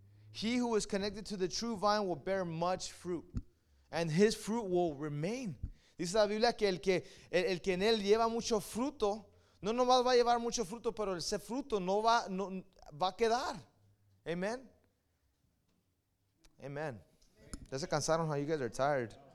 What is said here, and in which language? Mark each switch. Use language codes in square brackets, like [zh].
[en] He who is connected to the true vine will bear much fruit. And his fruit will remain. [es] Dice la Biblia que el que en él lleva mucho fruto, no nomás va a llevar mucho fruto, pero ese fruto no va a quedar. Amen. Amen. Ya se cansaron, [en] how you guys are tired.